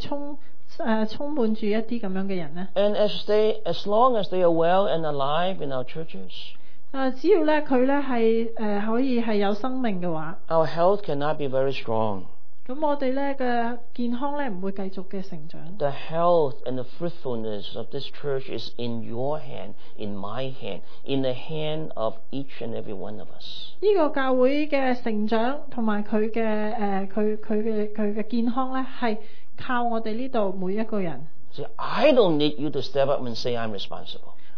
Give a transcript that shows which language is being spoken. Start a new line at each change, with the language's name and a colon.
Chinese: 今天我們是不是看到教會也充滿著一些這樣的人呢?
English: And as long as they are well and alive in our churches,
Chinese: 只要他可以有生命的話,
English: our health cannot be very strong.
Chinese: 我們的健康不會繼續成長。
English: The health and the fruitfulness of this church is in your hand, in my hand, in the hand of each and every one of us.
Chinese: 這個教會的成長和健康是靠我們這裡每一個人。
English: See, I don't need you to step up and say I'm responsible.